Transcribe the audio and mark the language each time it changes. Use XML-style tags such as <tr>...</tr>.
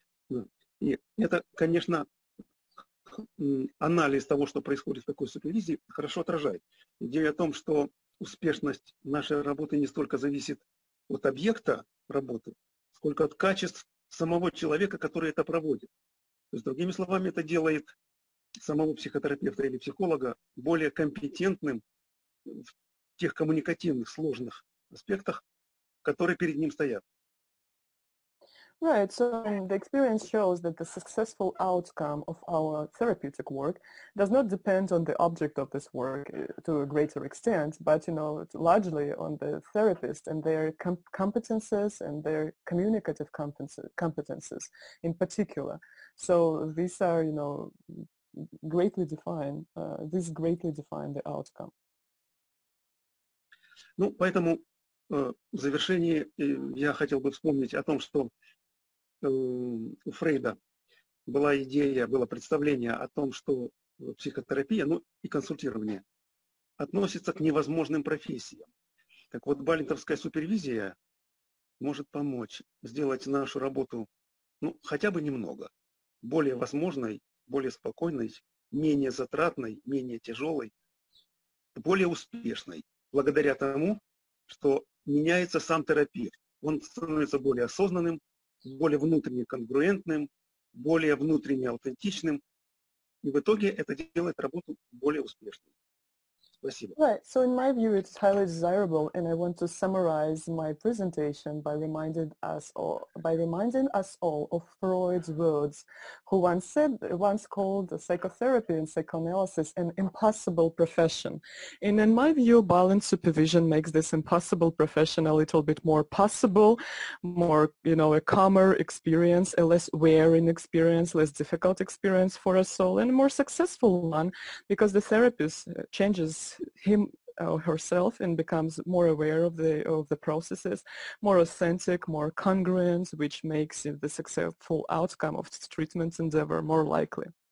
<ru>Yeah, это, конечно, анализ того, что происходит в такой супервизии, хорошо отражает идею о том, что успешность нашей работы не столько зависит от объекта работы, сколько от качеств самого человека, который это проводит. То есть, другими словами, это делает самого психотерапевта или психолога более компетентным в тех коммуникативных сложных аспектах, которые перед ним стоят.</ru> <en>Right, so the experience shows that the successful outcome of our therapeutic work does not depend on the object of this work to a greater extent, but, you know, largely on the therapist and their competences and their communicative competences in particular. So these are, you know, greatly define the outcome.</en> <ru>Ну, поэтому в завершении я хотел бы вспомнить о том, что у Фрейда была идея, было представление о том, что психотерапия, ну и консультирование, относится к невозможным профессиям. Так вот, балинтовская супервизия может помочь сделать нашу работу, ну, хотя бы немного, более возможной, более спокойной, менее затратной, менее тяжелой, более успешной, благодаря тому, что меняется сам терапевт. Он становится более осознанным, более внутренне конгруентным, более внутренне аутентичным, и в итоге это делает работу более успешной.</ru> <en>Right. So in my view, it's highly desirable, and I want to summarize my presentation by reminding us all of Freud's words, who once called the psychotherapy and psychoanalysis an impossible profession. And in my view, balanced supervision makes this impossible profession a little bit more possible, more, you know, a calmer experience, a less wearing experience, less difficult experience for us all, and a more successful one, because the therapist changes him or herself and becomes more aware of the processes, more authentic, more congruent, which makes the successful outcome of this treatment endeavor more likely.</en>